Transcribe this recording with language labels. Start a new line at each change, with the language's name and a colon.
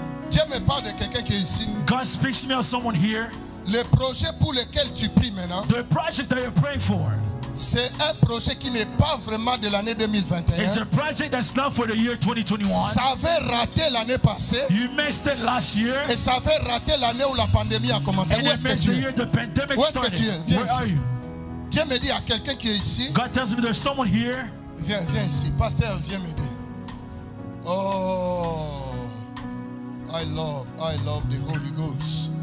French: Dieu me parle de quelqu'un qui est ici.
English: God speaks to me of someone here.
French: Le projet pour lequel tu pries maintenant.
English: The project that you're praying for.
French: C'est un projet qui n'est pas vraiment de l'année 2021.
English: It's a project that's not for the year 2021.
French: Ça avait raté l'année passée.
English: You missed it last year.
French: Et ça avait raté l'année où la pandémie a commencé.
English: And
French: où est-ce que tu es?
English: The year the pandemic
French: où est-ce
English: started.
French: Que tu es? Viens ici. Dieu me dit à quelqu'un qui est ici.
English: God tells me there's someone here.
French: Viens, viens ici. Pasteur, viens m'aider.
English: Oh, I love the Holy Ghost.